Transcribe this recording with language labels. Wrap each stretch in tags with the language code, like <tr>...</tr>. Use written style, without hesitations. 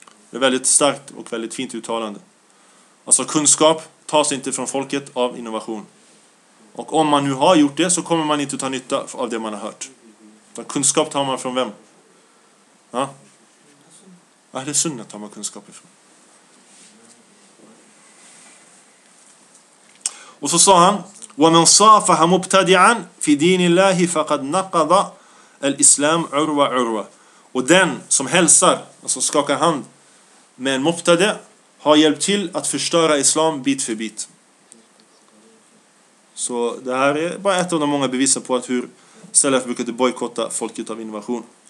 <sv>Det är väldigt starkt och väldigt fint uttalande. Alltså kunskap tas inte från folket av innovation. Och om man nu har gjort det så kommer man inte ta nytta av det man har hört. Kunskap tar man från vem? Ja? Vad är det sunna tar man kunskap ifrån? Och så sa han,</sv> <ar>وَمَنْ صَافَهَ مُبْتَدِعًا فِي دِينِ اللَّهِ فَقَدْ نَقَضَ الْإِسْلَامِ عُرْوَ عُرْوَ.</ar> <sv>Och den som hälsar, alltså skakar hand med en mubtada, har hjälpt till att förstöra islam bit för bit. Så det här är bara ett av de många bevisen på att hur salaf brukade bojkotta folket av innovation.</sv>